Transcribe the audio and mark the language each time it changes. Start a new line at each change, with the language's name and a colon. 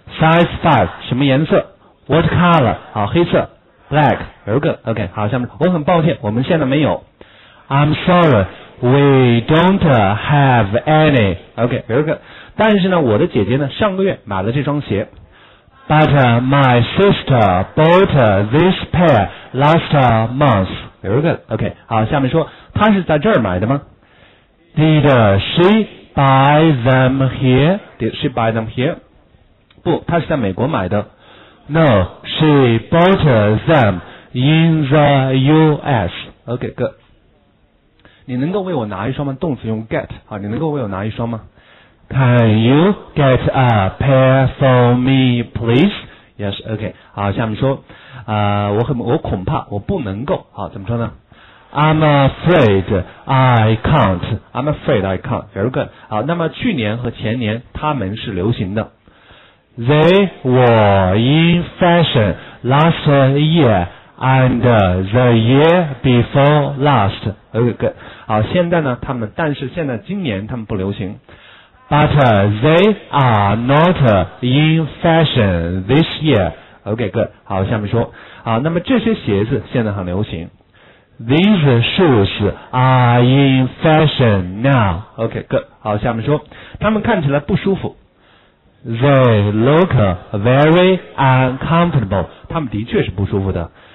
English: Size 5。
Chinese: 什么颜色？
English: What color?
Chinese: 好，黑色。
English: Black。 Very good。
Chinese: OK， 好，下面我很抱歉，我们现在没有。
English: I'm sorryWe don't have any. OK, very good.
Chinese: 但是呢，我的姐姐呢，上个月买了这双鞋。
English: But my sister bought this pair last month. Very good.
Chinese: OK, 好，下面说，她是在这儿买的吗？
English: Did she buy them here? Did she buy them here?
Chinese: 不，她是在美国买的。
English: No, she bought them in the US. OK, good.
Chinese: 你能够为我拿一双吗？动词用 get。好，你能够为我拿一双吗？
English: Can you get a pair for me, please? Yes, OK。
Chinese: 好，下面说我恐怕我不能够。好，怎么说呢？
English: I'm afraid I can't. I'm afraid I can't. Very good。
Chinese: 好，那么去年和前年他们是流行的。
English: They were in fashion last yearAnd the year before last. OK, good.
Chinese: 好，现在呢，他们，但是现在今年他们不流行。
English: But they are not in fashion this year. OK, good.
Chinese: 好，下面说。好，那么这些鞋子现在很流行。
English: These shoes are in fashion now. OK, good.
Chinese: 好，下面说。他们看起来不舒服。
English: They look very uncomfortable.
Chinese: 他们的确是不舒服的。